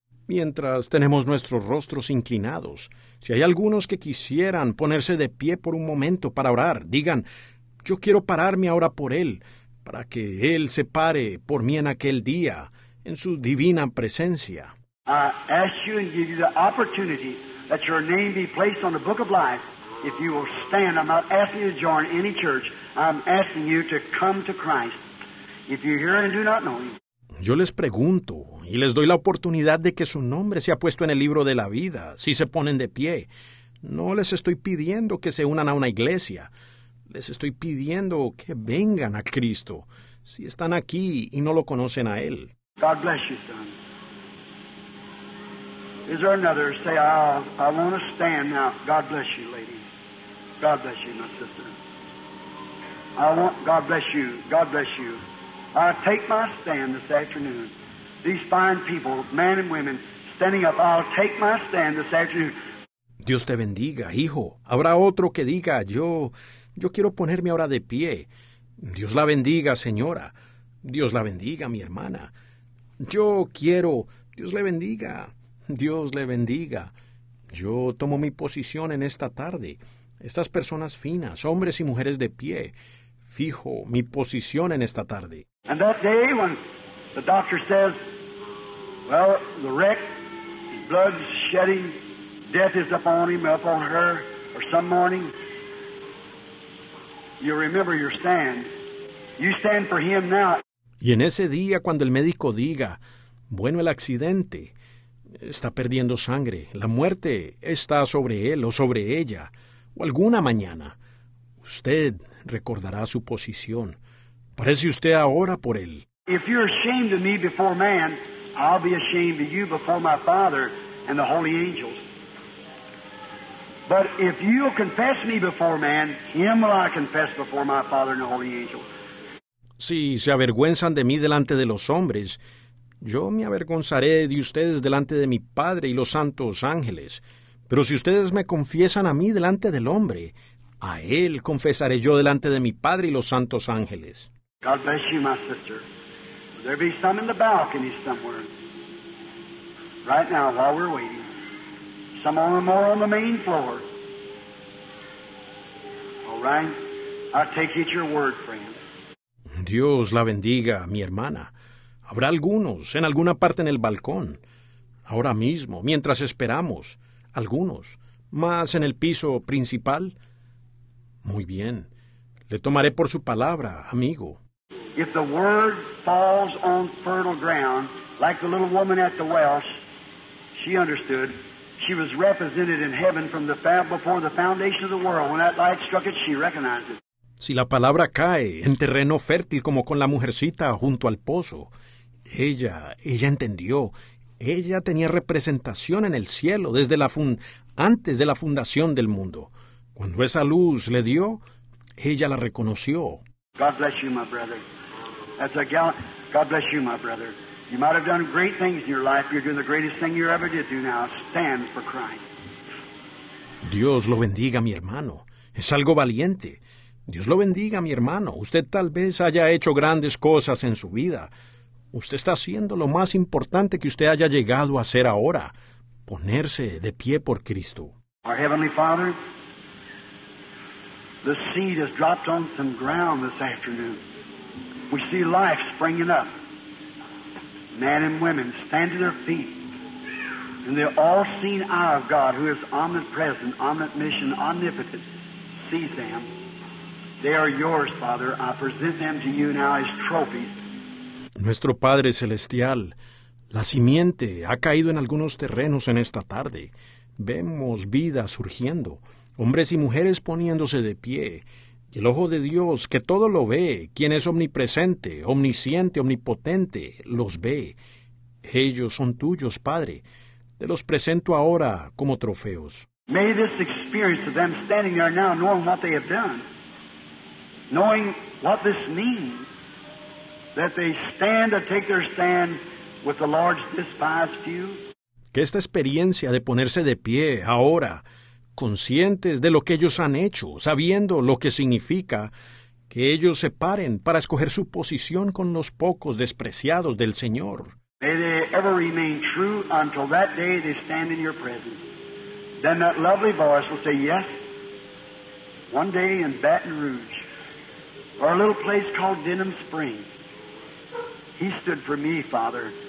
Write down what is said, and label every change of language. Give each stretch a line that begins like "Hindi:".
Spanish: Mientras tenemos nuestros rostros inclinados, si hay algunos que quisieran ponerse de pie por un momento para orar, digan, yo quiero pararme ahora por Él, para que Él se pare por mí en aquel día, en su divina presencia.
English: I ask you and give you the opportunity that your name be placed on the book of life. If you will stand, I'm not asking you to join any church. I'm asking you to come to Christ. If you hear and do not know Him.
Spanish: Yo les pregunto y les doy la oportunidad de que su nombre sea puesto en el libro de la vida, si se ponen de pie. No les estoy pidiendo que se unan a una iglesia. Les estoy pidiendo que vengan a Cristo, si están aquí y no lo conocen a Él.
English: God bless you, son. Is there another? Say, I want to stand now. God bless you, lady. God bless you, my sister. God bless you. God bless you. I take my stand this afternoon. These fine people, men and women, standing up. I'll take my stand this afternoon.
Spanish: Dios te bendiga, hijo. Habrá otro que diga, yo quiero ponerme ahora de pie. Dios la bendiga, señora. Dios la bendiga, mi hermana. Yo quiero. Dios le bendiga. Dios le bendiga. Yo tomo mi posición en esta tarde. Estas personas finas, hombres y mujeres de pie, fijo mi posición en esta tarde.
English: And that day when the doctor says, well, the wreck, blood shedding, death is upon him, upon her, or some morning, you remember your stand. You stand for Him now.
Spanish: Y en ese día, cuando el médico diga, bueno, el accidente, está perdiendo sangre, la muerte está sobre él o sobre ella, o alguna mañana, usted recordará su posición. Parece usted ahora por él.
English: If you're ashamed of me before man, I'll be ashamed of you before my Father and the holy angels. But if you'll confess me before man, him will I confess before my Father and the holy angels.
Spanish: Si se avergüenzan de mí delante de los hombres, yo me avergonzaré de ustedes delante de mi Padre y los santos ángeles. Pero si ustedes me confiesan a mí delante del hombre, a él confesaré yo delante de mi Padre y los santos ángeles.
English: God bless you, my sister. Will there be some in the balcony somewhere? Right now, while we're waiting. Some more on the main floor. All right. I take it your word, friend.
Spanish: Dios la bendiga, mi hermana. Habrá algunos en alguna parte en el balcón. Ahora mismo, mientras esperamos, algunos, más en el piso principal. Muy bien. Le tomaré por su palabra, amigo.
English: If the word falls on fertile ground, like the little woman at the well, she understood. She was represented in heaven from the before the foundation of the world. When that light struck it, she recognized it.
Spanish: Si la palabra cae en terreno fértil como con la mujercita junto al pozo, ella entendió. Ella tenía representación en el cielo desde antes de la fundación del mundo. Cuando esa luz le dio, ella la reconoció.
English: God bless you, my brother. God bless you, my brother. You might have done great things in your life. You're doing the greatest thing you ever did do now. Stand for Christ.
Spanish: Dios lo bendiga, mi hermano. Es algo valiente. Dios lo bendiga, mi hermano. Usted tal vez haya hecho grandes cosas en su vida. Usted está haciendo lo más importante que usted haya llegado a hacer ahora, ponerse de pie por Cristo.
English: Our Heavenly Father, the seed has dropped on some ground this afternoon. We see life springing up. Men and women stand to their feet. And the all-seeing eye of God, who is omnipresent, omniscient, omnipotent, sees them. They are yours, Father. I present them to you now as trophies.
Spanish: Nuestro Padre Celestial, la simiente ha caído en algunos terrenos en esta tarde. Vemos vida surgiendo, hombres y mujeres poniéndose de pie. Y el ojo de Dios, que todo lo ve, quien es omnipresente, omnisciente, omnipotente, los ve. Ellos son tuyos, Padre. Te los presento ahora como trofeos.
English: May this experience of them standing there now, knowing what they have done, knowing what this means, that they stand to take their stand with the Lord's despised few.
Spanish: Que esta experiencia de ponerse de pie ahora, conscientes de lo que ellos han hecho, sabiendo lo que significa, que ellos se paren para escoger su posición con los pocos despreciados del Señor.
English: May they ever remain true until that day they stand in your presence. Then that lovely voice will say, yes, one day in Baton Rouge, or a little place called Denham Springs, He stood for me, Father.